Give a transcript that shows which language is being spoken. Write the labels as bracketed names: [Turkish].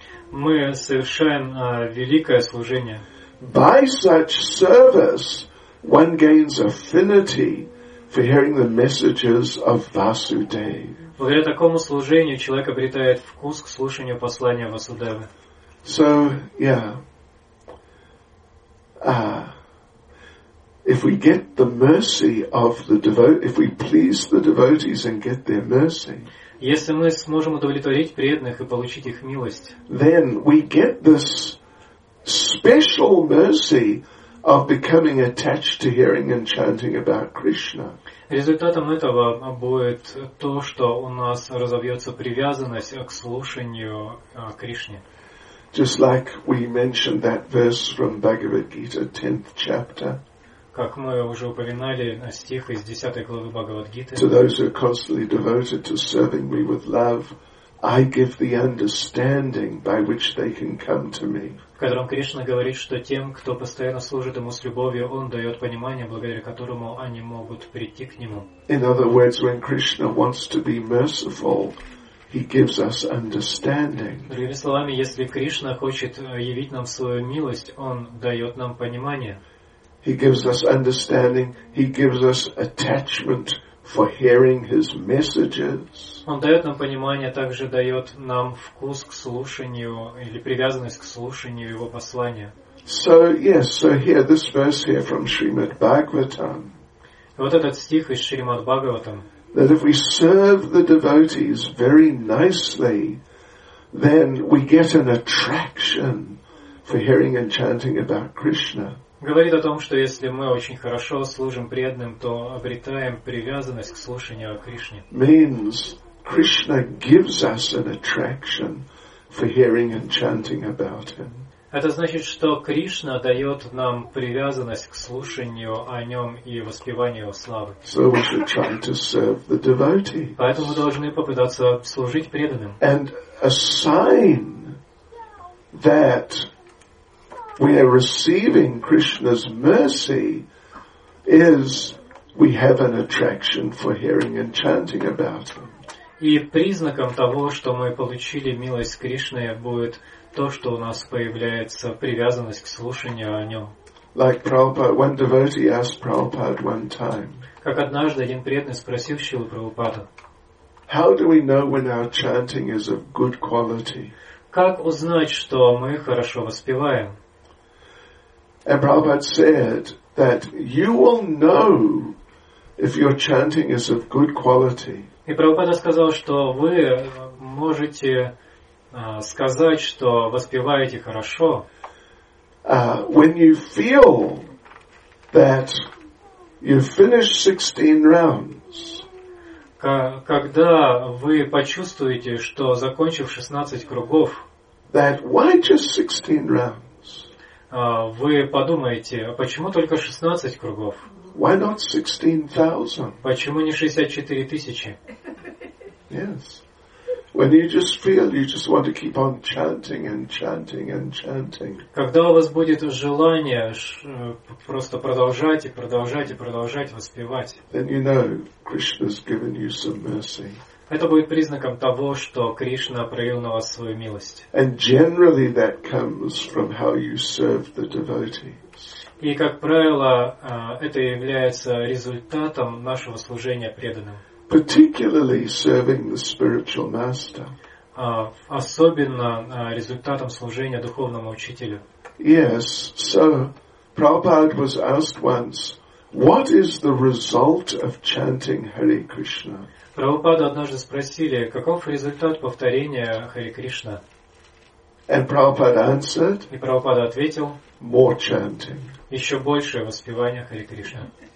[Russian] Мы совершаем великое служение. [English] By such service, one gains affinity for hearing the messages of Vasudeva. [Russian] Благодаря такому служению человек обретает вкус к слушанию послания Васудевы. [English] So, yeah. If we get the mercy of the devotee, if we please the devotees and get their mercy, [Russian] если мы сможем удовлетворить преданных и получить их милость, [English] then we get this special mercy of becoming attached to hearing and chanting about Krishna. [Russian] Результатом этого будет то, что у нас разовьется привязанность к слушанию Кришне. [English] Just like we mentioned that verse from Bhagavad Gita, 10th chapter. [Russian] Как мы уже упоминали стих из 10 главы Бхагавад Гиты. [English] To those who are constantly devoted to serving me with love, I give the understanding by which they can come to me. [Russian] В котором Кришна говорит, что тем, кто постоянно служит ему с любовью, он дает понимание, благодаря которому они могут прийти к нему. [English] In other words, when Krishna wants to be merciful, He gives us understanding. [Russian] Другими словами, если Кришна хочет явить нам свою милость, Он дает нам понимание. [English] He gives us understanding. He gives us attachment for hearing His messages. [Russian] Он дает нам понимание, также дает нам вкус к слушанию или привязанность к слушанию Его послания. [English] So yes, so here this verse here from Srimad Bhagavatam. [Russian] Вот этот стих из Шримад Бхагаватам. [English] That if we serve the devotees very nicely, then we get an attraction for hearing and chanting about Krishna. [Russian] Говорит о том, что если мы очень хорошо служим преданным, то обретаем привязанность к слушанию о Кришне. [English] Means Krishna gives us an attraction for hearing and chanting about Him. [Russian] Это значит, что Кришна дает нам привязанность к слушанию о Нем и воспеванию славы. [English] So we should try to serve the devotees. [Russian] Поэтому мы должны попытаться служить преданным. [English] And a sign that we are receiving Krishna's mercy is we have an attraction for hearing and chanting about Him. [Russian] И признаком того, что мы получили милость Кришны, будет то, что у нас появляется привязанность к слушанию о нем. [English] Like Prabhupada, one devotee asked Prabhupada one time. [Russian] Как однажды один преданный спросил Шрилу Прабхупаду. [English] How do we know when our chanting is of good quality? [Russian] Как узнать, что мы хорошо воспеваем? [English] And Prabhupada said that you will know if your chanting is of good quality. [Russian] И Прабхупада сказал, что вы можете сказать, что воспеваете хорошо, [English] when you feel that you finished 16 rounds, [Russian] когда вы почувствуете, что закончив 16 кругов, [English] that why just 16 rounds? [Russian] Вы подумаете, почему только 16 кругов? [English] Why not 16,000? [Russian] Почему не 64 тысячи? [English] Yes. When you just feel you just want to keep on chanting and chanting and chanting. [Russian] Когда у вас будет желание просто продолжать и продолжать и продолжать воспевать. [English] Then you know Krishna's given you some mercy. [Russian] Это будет признаком того, что Кришна проявил на вас свою милость. [English] And generally that comes from how you serve the devotees. [Russian] И, как правило, это является результатом нашего служения преданным. [English] Particularly serving the spiritual master. [Russian] Особенно результатом служения духовному учителю. [English] Yes, so Prabhupada was asked once, what is the result of chanting Hare Krishna? [Russian] Прабхупада однажды спросили, каков результат повторения Хари Кришна? [English] And Prabhupada answered, [Russian] и Прабхупада ответил, [English] more chanting. [Russian] Еще большее воспевание Хари Кришна.